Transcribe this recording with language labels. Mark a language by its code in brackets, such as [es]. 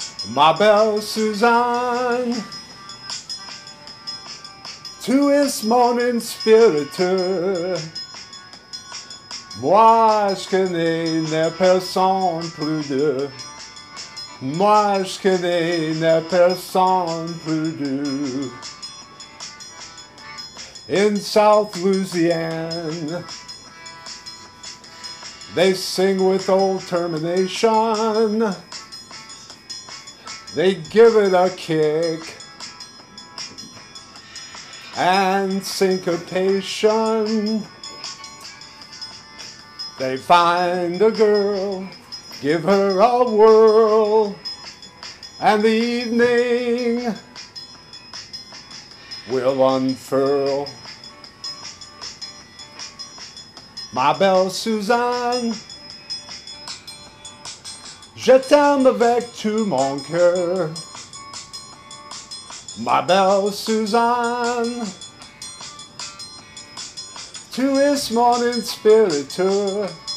[fr] Ma belle Suzanne, tu es mon inspirateur. Moi, je connais ne personne plus doux. Moi, je connais ne personne plus doux. [en] In South Louisiana, they sing with old termination. They give it a kick and syncopation. They find a girl, give her a whirl, and the evening will unfurl. [fr] Ma belle Suzanne, je t'aime avec tout mon cœur. Ma belle Suzanne, tu es mon inspirateur.